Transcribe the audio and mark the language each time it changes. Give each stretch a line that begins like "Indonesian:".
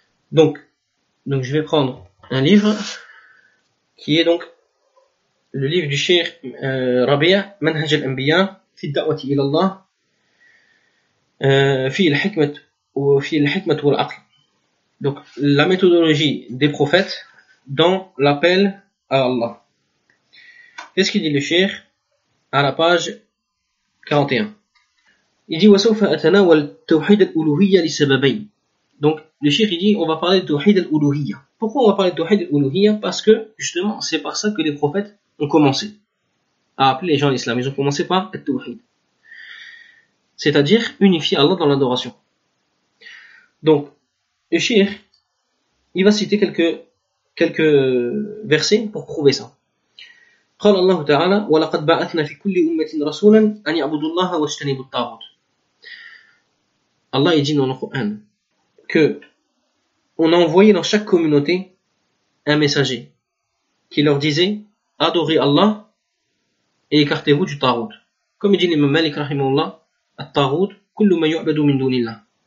French: Donc, je vais prendre un livre, qui est donc le livre du Cheikh Rabia, Manhaj al-Anbiya, في الدعوة إلى الله في الحكمة وفي الحكمة والعقل donc la méthodologie des prophètes dans l'appel à Allah. Qu'est-ce qu'il dit le cheikh à la page 41?
Arabic: Il dit وسوف أتناول توحيد الألوهية لسببين.
French: Donc le cheikh il dit on va parler de توحيد الألوهية. Pourquoi on va parler de توحيد الألوهية? Parce que justement c'est par ça que les prophètes ont commencé à appeler les gens à l'islam. Ils ont commencé par être tawhid. C'est-à-dire unifier Allah dans l'adoration. Donc, le shir, il va citer quelques versets pour prouver ça.
Arabic: قال الله تعالى وَلَقَدْ بَعَثْنَا فِي كُلِّ أُمَّةٍ رَسُولًا أَنْ يَعْبُدُ اللَّهَ وَاجْتَنِبُ الطَّاغُوتِ.
French: Allah il dit dans le Coran que on a envoyé dans chaque communauté un messager qui leur disait adorez Allah et écartez-vous du tarout. Comme il dit l'imam Malik rahimahullah, at-tarout, kullu ma yu'badu min dunillah.